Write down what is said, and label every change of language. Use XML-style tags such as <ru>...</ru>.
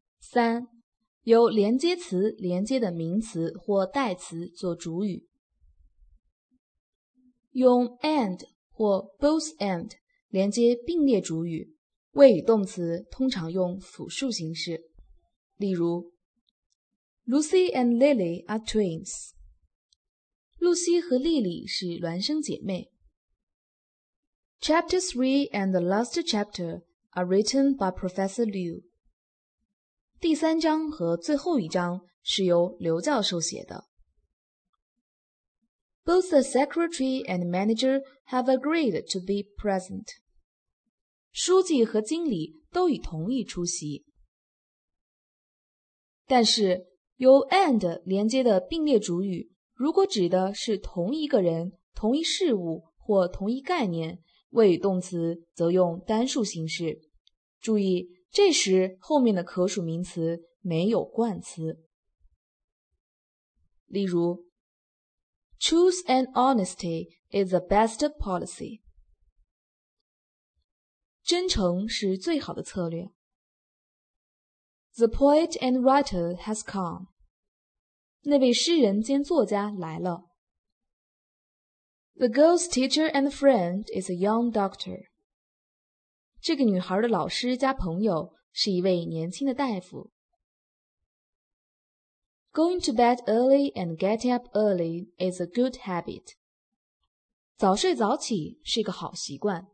<zh>三，由连接词连接的名词或代词做主语。用 and 或 both and 连接并列主语，谓语动词通常用复数形式。例如</zh> <en>,Lucy and Lily are twins.</en> <zh>露西和莉莉是孪生姐妹。</zh> <en>Chapter 3 and the last chapter are written by Professor Liu.</en> <zh>第三章和最后一章是由刘教授写的。</zh> <en>Both the secretary and manager have agreed to be present.</en> <zh>书记和经理都已同意出席。但是由 and 连接的并列主语，如果指的是同一个人、同一事物或同一概念，谓语动词则用单数形式。注意，这时后面的可数名词没有冠词。例如</zh> <en>,Truth and honesty is the best policy.</en> <zh>真诚是最好的策略。</zh> <en>The poet and writer has come.</en> <zh>那位诗人兼作家来了。</zh> <en>The girl's teacher and friend is a young doctor.</en> <zh>这个女孩的老师加朋友是一位年轻的大夫。</zh> <en>Going to bed early and getting up early is a good habit.</en> <zh>早睡早起是个好习惯。</zh>